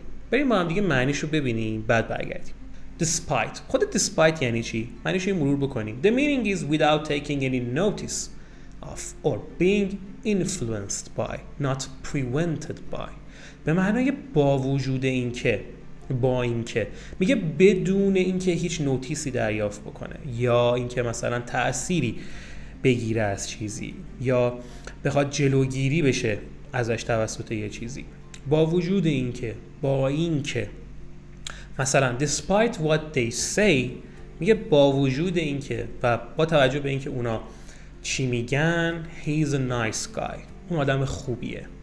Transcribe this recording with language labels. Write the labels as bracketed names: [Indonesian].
[Persian] بریم با هم دیگه معنیشو ببینیم بعد برگردیم. despite، خود despite یعنی چی؟ معنیشو یه مرور بکنیم. [English] the meaning is without taking any notice of or being influenced by not prevented by. [Persian] به معنای با وجود این که، با این که. میگه بدون این که هیچ نوتیسی دریافت بکنه یا این که مثلا تأثیری بگیره از چیزی یا بخواد جلوگیری بشه ازش توسط یه چیزی. با وجود این که، با این که، مثلا [English] despite what they say، [Persian] میگه با وجود این که و با توجه به این که اونا چی میگن، [English] he's a nice guy، [Persian] اون آدم خوبیه.